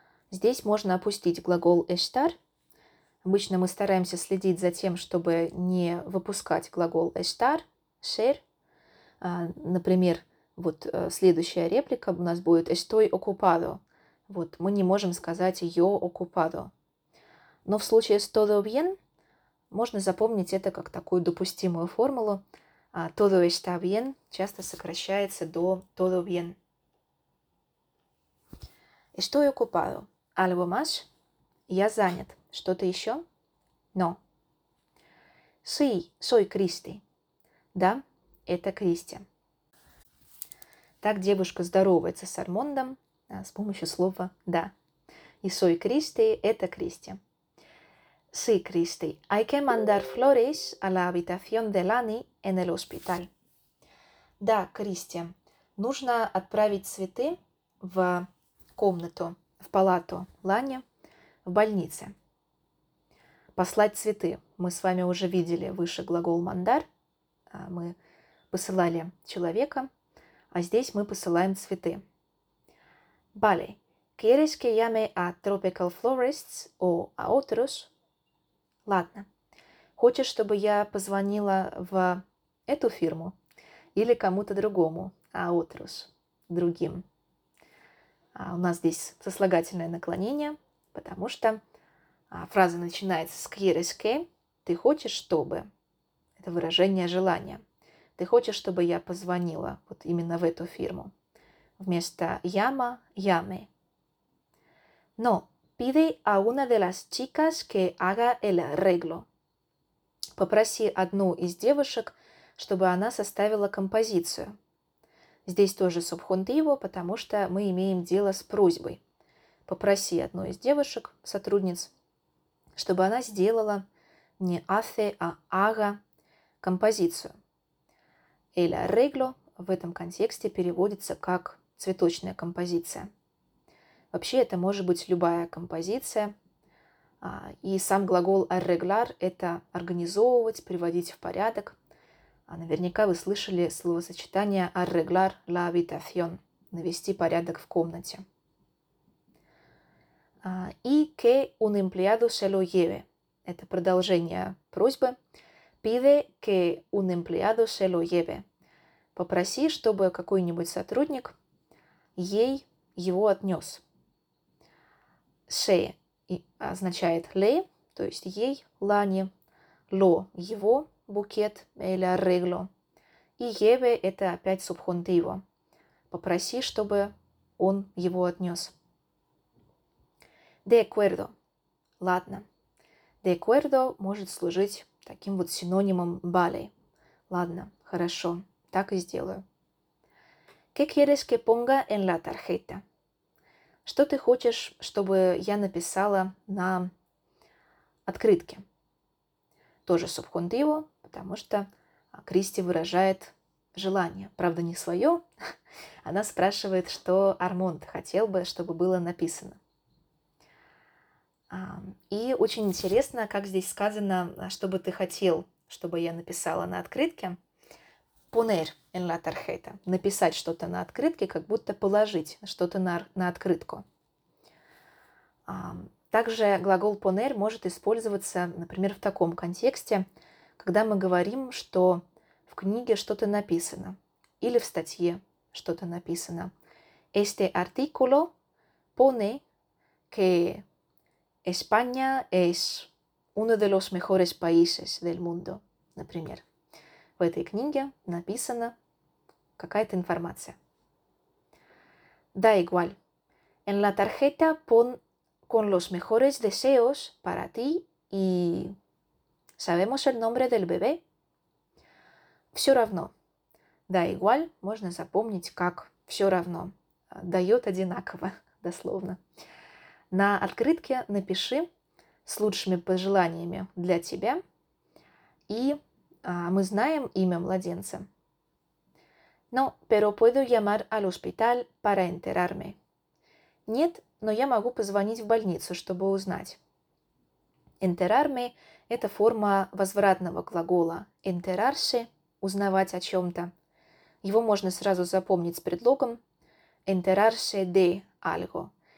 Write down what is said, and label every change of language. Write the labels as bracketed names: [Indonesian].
[Russian] Здесь можно опустить глагол «estar». Обычно мы стараемся следить за тем, чтобы не выпускать глагол «estar», «ser». Например, вот следующая реплика у нас будет [Spanish] «estoy ocupado». [Russian] Вот мы не можем сказать [Spanish] «yo ocupado». [Russian] Но в случае с [Spanish] «todo bien» [Russian] можно запомнить это как такую допустимую формулу. [Spanish] Todo está bien [Russian] часто сокращается до [Spanish] todo bien. Estoy ocupado. Algo más? [Russian] Я занят. Что-то еще? [Spanish] No. Sí, soy Cristi. [Russian] Да, это Кристи. Так девушка здоровается с Армондом с помощью слова «да». И [Spanish] soy Cristi [Russian] – это Кристи. [Spanish] Sí, Cristi. Hay que mandar flores a la habitación de Lani en el hospital. [Russian] Да, Кристи, нужно отправить цветы в комнату, в палату Лани в больнице. Послать цветы. Мы с вами уже видели выше глагол мандар. Мы посылали человека, а здесь мы посылаем цветы. [Spanish] Vale. ¿Quieres que llame a tropical florists o a otros? [Russian] Ладно. Хочешь, чтобы я позвонила в эту фирму или кому-то другому? [Spanish] A otros. [Russian] Другим. А у нас здесь сослагательное наклонение, потому что фраза начинается с [Spanish] «quieres que» [Russian] – «ты хочешь, чтобы». Это выражение желания. «Ты хочешь, чтобы я позвонила вот именно в эту фирму?» [Spanish] Вместо «llama» – «llame». «No, pide a una de las chicas que haga el arreglo». [Russian] «Попроси одну из девушек, чтобы она составила композицию». Здесь тоже субхунтиво, потому что мы имеем дело с просьбой. «Попроси одну из девушек, сотрудниц». Чтобы она сделала не «hace», а «haga» композицию. [Spanish] «El arreglo» [Russian] в этом контексте переводится как «цветочная композиция». Вообще, это может быть любая композиция. И сам глагол «arreglar» — это «организовывать», «приводить в порядок». Наверняка вы слышали словосочетание [Spanish] «arreglar la habitación» [Russian] — «навести порядок в комнате». [Spanish] «Y que un empleado se lo lleve» – [Russian] это продолжение просьбы. [Spanish] «Pide que un empleado se lo lleve» – [Russian] «попроси, чтобы какой-нибудь сотрудник ей его отнес». «Se» означает «le», то есть «ей», «лани», «lo» – «его букет» или «arreglo». «И lleve» – это опять субхунтиво. «Попроси, чтобы он его отнес». [Spanish] «De acuerdo» – [Russian] «ладно». [Spanish] «De acuerdo» [Russian] может служить таким вот синонимом «vale». «Ладно, хорошо, так и сделаю». [Spanish] «¿Qué quieres que ponga en la tarjeta?» [Russian] «Что ты хочешь, чтобы я написала на открытке?» Тоже субхунтиво, потому что Кристи выражает желание. Правда, не свое. Она спрашивает, что Армонд хотел бы, чтобы было написано. И очень интересно, как здесь сказано, что бы ты хотел, чтобы я написала на открытке. [Spanish] Poner en la tarjeta. [Russian] Написать что-то на открытке, как будто положить что-то на открытку. Также глагол poner может использоваться, например, в таком контексте, когда мы говорим, что в книге что-то написано или в статье что-то написано. [Spanish] Este artículo pone que... España es uno de los mejores países del mundo, [Russian] например. В этой книге написана какая-то информация. [Spanish] Da igual. En la tarjeta pon con los mejores deseos para ti y... ¿Sabemos el nombre del bebé? [Russian] Все равно. [Spanish] Da igual [Russian] можно запомнить как все равно. Дает одинаково, дословно. На открытке напиши с лучшими пожеланиями для тебя. И мы знаем имя младенца. [Spanish] No, pero puedo llamar al hospital para enterarme. [Russian] Нет, но я могу позвонить в больницу, чтобы узнать. Enterarme – это форма возвратного глагола enterarse – узнавать о чем-то. Его можно сразу запомнить с предлогом [Spanish] enterarse de algo.